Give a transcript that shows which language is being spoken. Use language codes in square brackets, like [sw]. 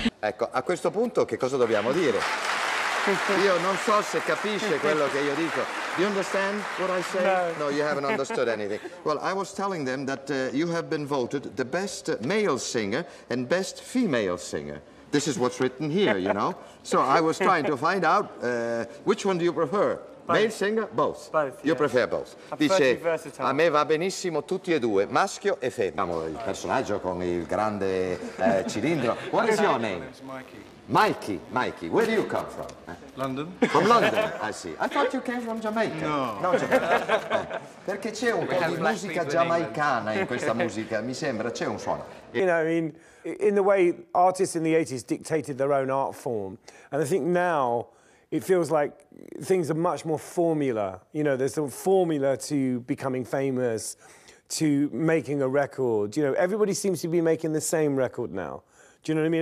[it] Ecco, a questo punto che cosa dobbiamo dire? Io non so se capisce quello che io dico. [en] Do you understand what I say? No, you haven't understood anything. Well, I was telling them that you have been voted the best male singer and best female singer. This is what's written here, you know. So I was trying to find out which one do you prefer? Both. Male singer? Both. Both, yes. You prefer both. [it] Dice, a me va benissimo tutti e due, maschio e femmina. Il personaggio con il grande cilindro. [en] What is your name? It's Mikey. Mikey, where do you come from? London. From London, I see. I thought you came from Jamaica. No. No, Jamaica. [it] Perché c'è un po' di musica giamaicana in questa musica, mi sembra, c'è un suono. [en] You know, I mean, in the way artists in the 80s dictated their own art form, and I think now it feels like things are much more formula. You know, there's a formula to becoming famous, to making a record. You know, everybody seems to be making the same record now. Do you know what I mean?